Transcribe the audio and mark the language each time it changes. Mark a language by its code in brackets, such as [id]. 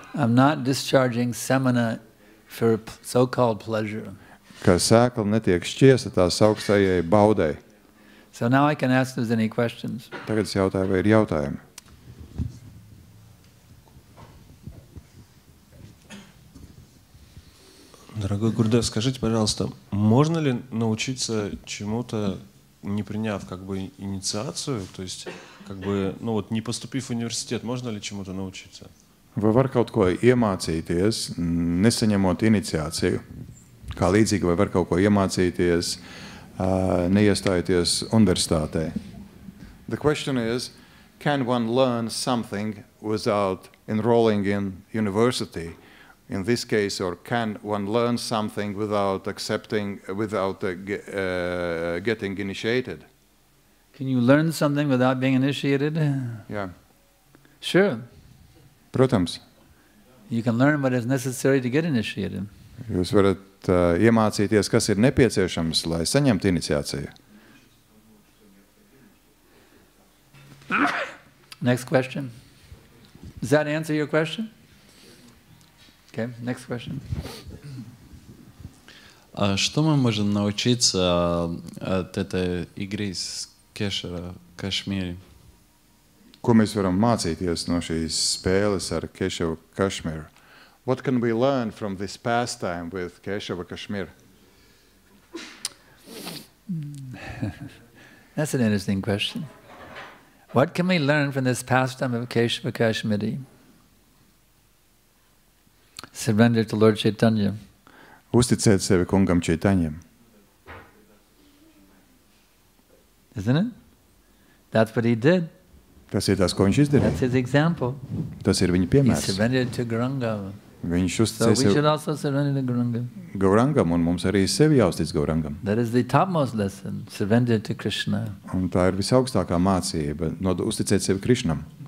[en] I'm not discharging samana for so-called pleasure. [lv] Ka sēkla netiek šķiesta tās augstajai baudai. [en] So now I can ask those any questions. [lv] Tagad es jautāju, vai ir jautājumi. [ru] Дорогой Гурдев, скажите, пожалуйста, можно ли научиться чему-то, не приняв как бы инициацию, то есть как бы, ну вот не поступив в университет, можно ли чему-то научиться? [lv] Вы var kaut ko iemācīties, nesaņemot iniciāciju. Kā līdzīgi, vai var kaut ko iemācīties, neiestājoties universitātē. [en] The question is, can one learn something without enrolling in university in this case, or can one learn something without accepting, without getting initiated? Can you learn something without being initiated? Yeah. Sure. [lv] Protams. [en] You can learn what is necessary to get initiated. [lv] Jūs varat iemācīties, kas ir nepieciešams, lai saņemtu iniciāciju. [en] Next question. Does that answer your question? Okay, next question. [ru] Что мы можем научиться от этой игры с Кешера Кашмири? [lv] Ko mēs varam mācīties no šīs spēles ar Кешеру Кашмири? [en] What can we learn from this pastime with Keshava Kashmir? That's an interesting question. What can we learn from this pastime of Keshava Kashmir? Surrender to Lord Chaitanya. [lv] Uzticēt sevi Kungam Chaitanyam. [en] Isn't it? That's what he did. [lv] Tas ir tas, ko viņš izdarīja. [en] That's his example. [lv] Tas ir viņa piemērs. [en] He surrendered to Gauranga. [lv] Viņš uzticēja Gaurangam, un mums arī sevi jāuztic Gaurangam. [en] That is the topmost lesson, surrender to Krishna. [lv] Un tā ir visaugstākā mācība, uzticēt sevi Krishnam.